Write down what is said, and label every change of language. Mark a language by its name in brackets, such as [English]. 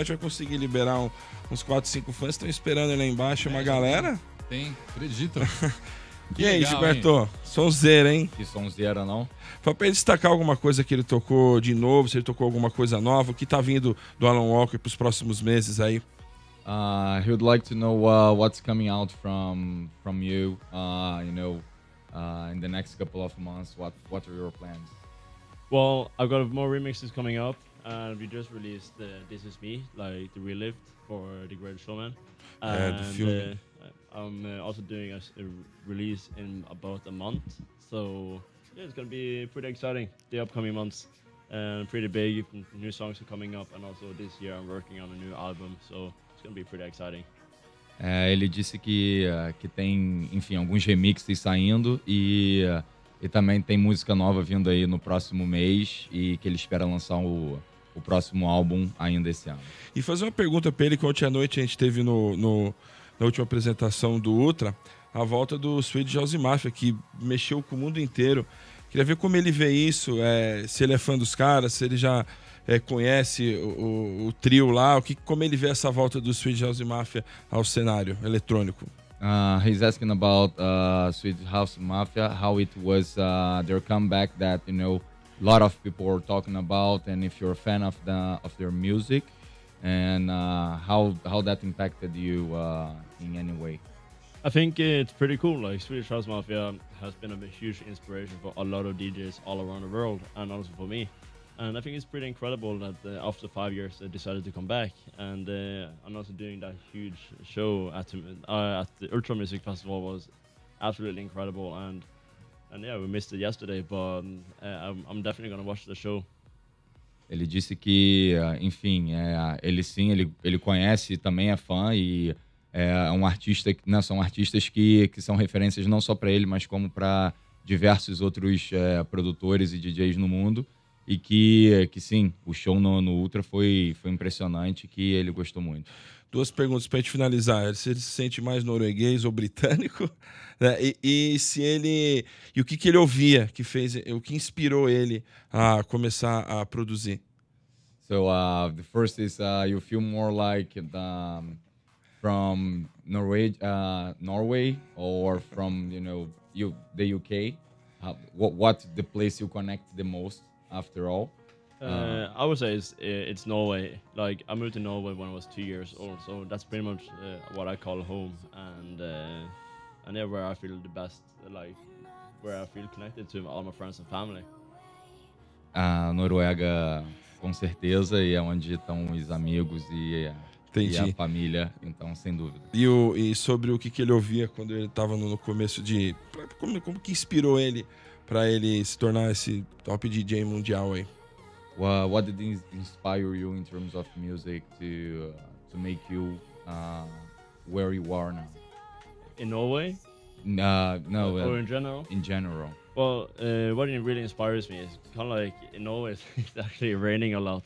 [Portuguese] A gente vai conseguir liberar uns 4, 5 fãs. Estão esperando ele aí embaixo, uma galera. Tem, acredito. E aí, Gilberto? Sonzeira, hein? Que sonzeira, não? Foi pra ele destacar alguma coisa que ele tocou de novo, se ele tocou alguma coisa nova, o que tá vindo do Alan Walker pros próximos meses aí? [English] He would like to know what's coming out from you, you know, in the next couple of months, what are your plans? Well, I've got more remixes coming up, and we just released the This Is Me, like the relived for The Great Showman. And I'm also doing a release in about a month, so yeah, it's gonna be pretty exciting the upcoming months, and pretty big. New songs are coming up, and also this year I'm working on a new album, so it's gonna be pretty exciting. [Portuguese] É, ele disse que tem, enfim, alguns remixes saindo e também tem música nova vindo aí no próximo mês e que ele espera lançar o próximo álbum ainda esse ano. E fazer uma pergunta para ele, que ontem à noite a gente teve na última apresentação do Ultra, a volta do Swedish House Mafia, que mexeu com o mundo inteiro. Queria ver como ele vê isso, se ele é fã dos caras, se ele já conhece o trio lá, como ele vê essa volta do Swedish House Mafia ao cenário eletrônico. [English] He's asking about Swedish House Mafia, how it was their comeback that, you know, a lot of people are talking about, and if you're a fan of their music, and how that impacted you in any way. I think it's pretty cool. Like Swedish House Mafia has been a huge inspiration for a lot of DJs all around the world, and also for me. And I think it's pretty incredible that after 5 years they decided to come back. And I'm also doing that huge show at the Ultra Music Festival was absolutely incredible. And yeah, we missed it yesterday, but I'm definitely going to watch the show. [Portuguese] Ele disse que, enfim, ele sim, ele conhece, também é fã e é um artista, não, são artistas que são referências não só para ele, mas como para diversos outros produtores e DJs no mundo. E que sim, o show no Ultra foi impressionante, que ele gostou muito. Duas perguntas para a gente finalizar. Se ele se sente mais norueguês ou britânico? Né? E o que, que ele ouvia que fez, o que inspirou ele a começar a produzir? [English] So, the first is you feel more like from Norway or from, you know, the UK. What the place you connect the most after all? I would say it's Norway. Like, I moved to Norway when I was 2 years old, so that's pretty much what I call home, and there where I feel the best, like where I feel connected to all my friends and family. [Portuguese] Noruega, com certeza, e é onde estão os amigos e a família, então, sem dúvida. E sobre o que, que ele ouvia quando ele estava no começo de... Como que inspirou ele para ele se tornar esse top DJ mundial aí? [English] What did inspire you in terms of music to make you where you are now? In Norway? No. Or in general? In general. Well, what really inspires me is kind of like in Norway, it's actually raining a lot.